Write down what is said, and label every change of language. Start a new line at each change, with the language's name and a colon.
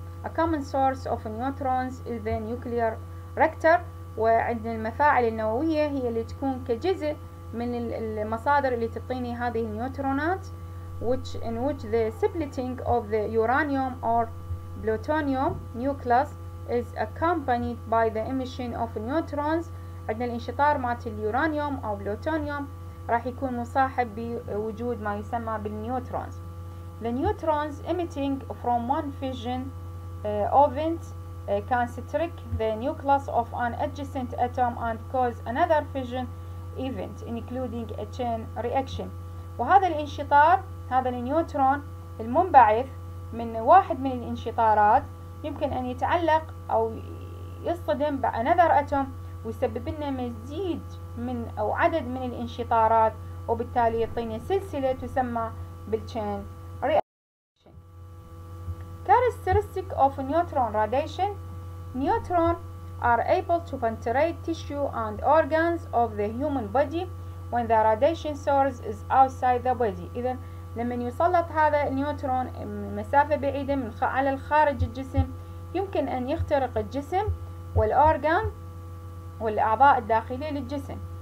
English: A common source of neutrons is the nuclear reactor،
Arabic: وعندنا المفاعل النووية هي اللي تكون كجزء من المصادر اللي تعطيني هذه النيوترونات،
English: which in which the splitting of the uranium or plutonium nucleus is accompanied by the emission of neutrons.
Arabic: عندنا الانشطار مات اليورانيوم أو بلوتونيوم راح يكون مصاحب بوجود ما يسمى بالنيوترونز.
English: The neutrons emitting from one fission event can strike the nucleus of an adjacent atom and cause another fission event including a chain reaction.
Arabic: وهذا الانشطار، هذا النيوترون المنبعث من واحد من الانشطارات، يمكن ان يتعلق او يصطدم ب
English: another atom
Arabic: ويسبب لنا مزيد من او عدد من الانشطارات، وبالتالي يعطيني سلسلة تسمى بالchain.
English: Characteristic of neutron radiation. Neutron are able to penetrate tissue and organs of the human body when the radiation source is outside the body.
Arabic: إذا لما يسلط هذا النيوترون مسافة بعيدة من على الخارج الجسم، يمكن أن يخترق الجسم والأورغان والأعضاء الداخلية للجسم.